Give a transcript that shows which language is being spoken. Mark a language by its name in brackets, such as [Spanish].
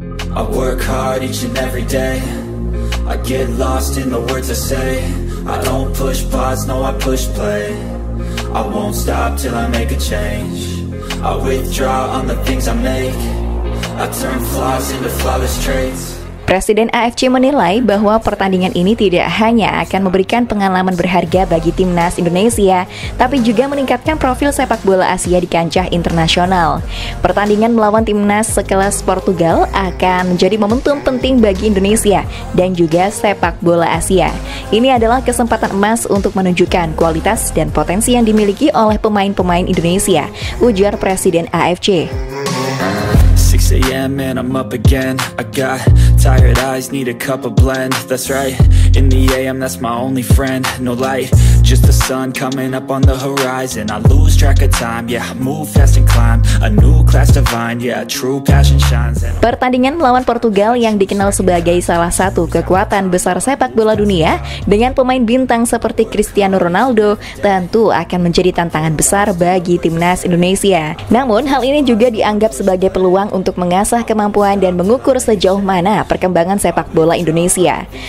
[English] I work hard each and every day. I get lost in the words I say. I don't push pods, no, I push play. I won't stop till I make a change. I withdraw on the things I make. I turn flaws into flawless traits. [Indonesian] Presiden AFC menilai bahwa pertandingan ini tidak hanya akan memberikan pengalaman berharga bagi Timnas Indonesia, tapi juga meningkatkan profil sepak bola Asia di kancah internasional. Pertandingan melawan Timnas sekelas Portugal akan menjadi momentum penting bagi Indonesia dan juga sepak bola Asia. Ini adalah kesempatan emas untuk menunjukkan kualitas dan potensi yang dimiliki oleh pemain-pemain Indonesia, ujar Presiden AFC. [English] 6 a.m. and I'm up again. I got tired eyes, need a cup of blend. That's right, in the a.m. that's my only friend. No light, just the sun coming up on the horizon. I lose track of time, yeah, I move fast and climb. A new class divine, yeah, true passion shines. [Indonesian] Pertandingan melawan Portugal yang dikenal sebagai salah satu kekuatan besar sepak bola dunia dengan pemain bintang seperti Cristiano Ronaldo tentu akan menjadi tantangan besar bagi Timnas Indonesia. Namun, hal ini juga dianggap sebagai peluang untuk mengasah kemampuan dan mengukur sejauh mana perkembangan sepak bola Indonesia.